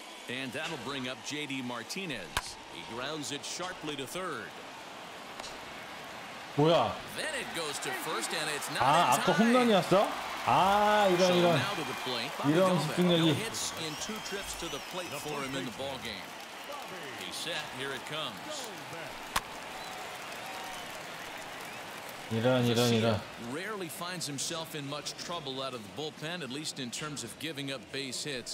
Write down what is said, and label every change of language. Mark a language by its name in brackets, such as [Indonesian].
[English] And that'll bring up JD Martinez. He grounds it sharply to third. [Korean] 뭐야? [English] Then it goes to first and it's not [Korean] 아, 아까 홈런이었어? 아, 이런 이런 이런 집중력이. [English] Hits in two trips to the plate for him in the ball game. He set, here it comes. [Korean] 이런 이런 이런. [English] Rarely finds himself in much trouble out of the bullpen, at least in terms of giving up base hits.